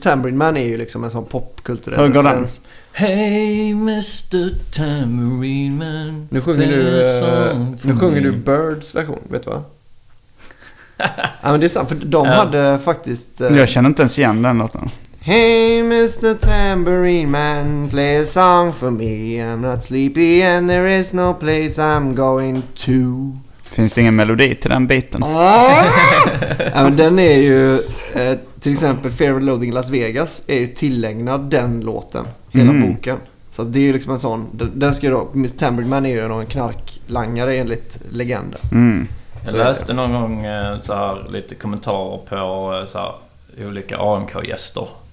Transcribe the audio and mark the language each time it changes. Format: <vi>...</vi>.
<sv>Tambourine Man är ju liksom en sån popkulturell referens. Hur går referens.</sv> <en>Hey Mr. Tambourine Man.</en> <sv>Nu sjunger du Birds version, vet du vad? Ja, men det är sant, för de hade faktiskt... Jag känner inte ens igen den låten.</sv> <en>Hey Mr. Tambourine Man, play a song for me. I'm not sleepy and there is no place I'm going to.</en> <sv>Finns det ingen melodi till den biten? Ja, men den är ju till exempel Fear and Loathing Las Vegas är ju tillägnad den låten, hela boken. Så det är ju liksom en sån, den ska ju då, Mr. Tambourine Man är ju en knarklangare enligt legenden. Jag läste någon gång så här, lite kommentarer på så här, olika AMK-gäster.</sv>